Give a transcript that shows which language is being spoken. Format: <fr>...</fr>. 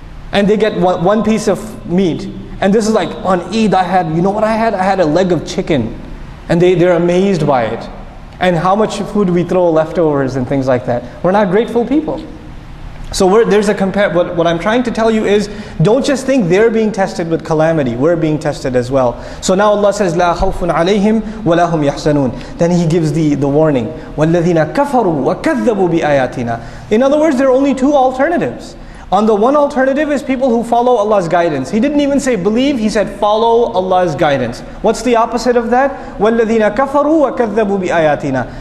<en>And they get one piece of meat. And this is like, on Eid I had, you know what I had? I had a leg of chicken. And they're amazed by it. And how much food we throw leftovers and things like that. We're not grateful people. So what I'm trying to tell you is, don't just think they're being tested with calamity, we're being tested as well. So now Allah says,</en> <ar>لَا خَوْفٌ عَلَيْهِمْ وَلَا هُمْ يَحْزَنُونَ.</ar> <en>Then He gives the warning,</en> <ar>وَالَّذِينَ كَفَرُوا وَكَذَّبُوا بِآيَاتِنَا.</ar> <en>In other words, there are only two alternatives. On the one alternative is people who follow Allah's guidance. He didn't even say believe, he said follow Allah's guidance. What's the opposite of that?</en> <ar>وَالَّذِينَ كَفَرُوا وَكَذَّبُوا بِآيَاتِنَا.</ar>